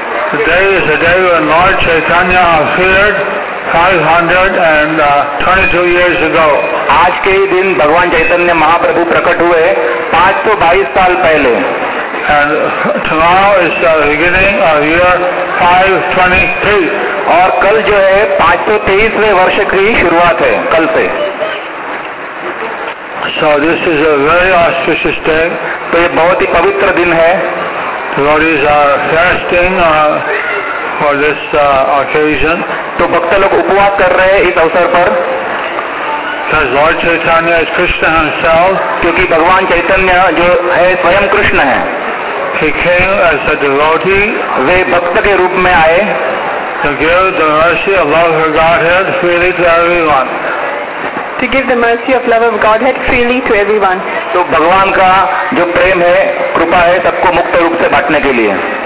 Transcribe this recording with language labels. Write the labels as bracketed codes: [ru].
[en] Today is the day when Lord Chaitanya appeared 522 years ago. [hi] आज के ही दिन भगवान चैतन्य महाप्रभु प्रकट हुए 522 साल पहले। [en] And tomorrow is the beginning of year 523. [hi] और कल जो है 523वें वर्ष की शुरुआत है कल से। [en] So this is a very auspicious day. [hi] तो ये बहुत ही पवित्र दिन है। [en] Devotees are fasting for this occasion. [hi] तो भक्त लोग उपवास कर रहे हैं इस अवसर पर। [en] Because Lord Chaitanya is Krishna himself. [hi] क्योंकि भगवान चैतन्य जो है स्वयं कृष्ण है। [en] He came as a devotee. [hi] वे भक्त के रूप में आए। [en] To give the mercy of love for Godhead freely to everyone. To give the mercy of love of Godhead freely to everyone. [hi] तो भगवान का जो प्रेम है कृपा है सबको मुक्त रूप से बांटने के लिए।